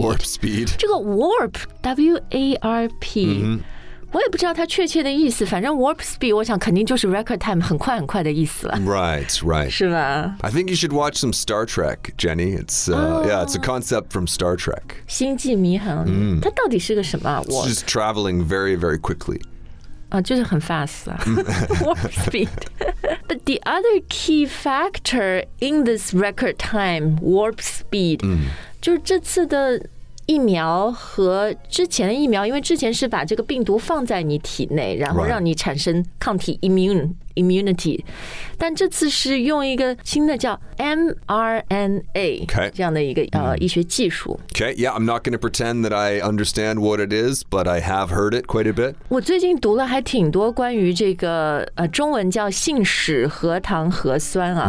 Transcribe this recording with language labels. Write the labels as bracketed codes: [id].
[en] Warp speed. [zh] 这个 warp, W-A-R-P.、 Mm-hmm. 我也不知道它确切的意思，反正 warp speed 我想肯定就是 record time 很快很快的意思了。 [en] Right, right. [zh] 是吧 [en] I think you should watch some Star Trek, Jenny. It's,、yeah, it's a concept from Star Trek. [zh] 星际迷航、它到底是个什么、 [en] It's just traveling very, very quickly. [zh] 就是很 fast 啊。warp speed. [en] But the other key factor in this record time, warp speed,、 [zh] 就是这次的疫苗和之前的疫苗，因为之前是把这个病毒放在你体内，然后让你产生抗体 immunity， 但这次是用一个新的叫 mRNA、 [en] okay. [zh] 这样的一个、医学技术。 [en] Okay, yeah, I'm not going to pretend that I understand what it is, but I have heard it quite a bit. [zh] 我最近读了还挺多关于这个、中文叫信使核糖核酸啊，